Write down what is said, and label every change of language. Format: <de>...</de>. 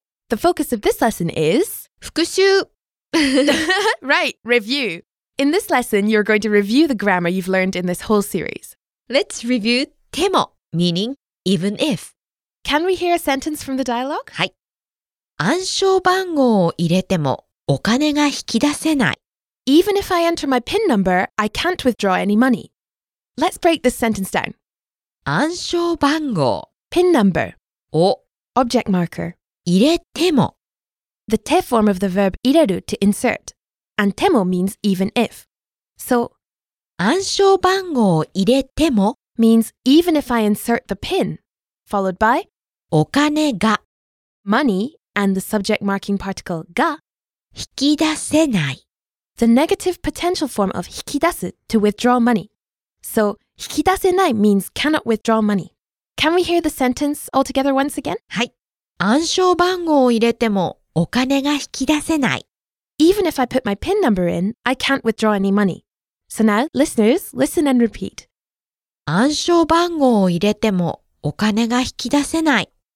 <en>The focus of this lesson is...</en> <ja>復習</ja> <en>Right, review. In this lesson, you're going to review the grammar you've learned in this whole series. Let's review でも meaning even if. Can we hear a sentence from the dialogue?</en> <ja>はい。暗証番号を入れてもお金が引き出せない。</ja> <en>Even if I enter my PIN number, I can't withdraw any money. Let's break this sentence down.</en> <ja>暗証番号</ja> <en>PIN number</en> <ja>を</ja> <en>Object marker</en> <ja>入れても</ja> <en>The て form of the verb 入れる to insert. And ても means even if. So</en> <ja>暗証番号を入れても</ja> <en>means even if I insert the PIN. Followed by</en> <ja>お金が</ja> <en>Money and the subject marking particle が</en> <ja>引き出せない</ja> <en>The negative potential form of 引き出す to withdraw money. So 引き出せない means cannot withdraw money. Can we hear the sentence altogether once again?</en> <ja>はい。暗証番号を入れてもお金が引き出せない。</ja> <en>Even if I put my PIN number in, I can't withdraw any money. So now, listeners, listen and repeat.</en> <ja>暗証番号を入れてもお金が引き出せない。</ja>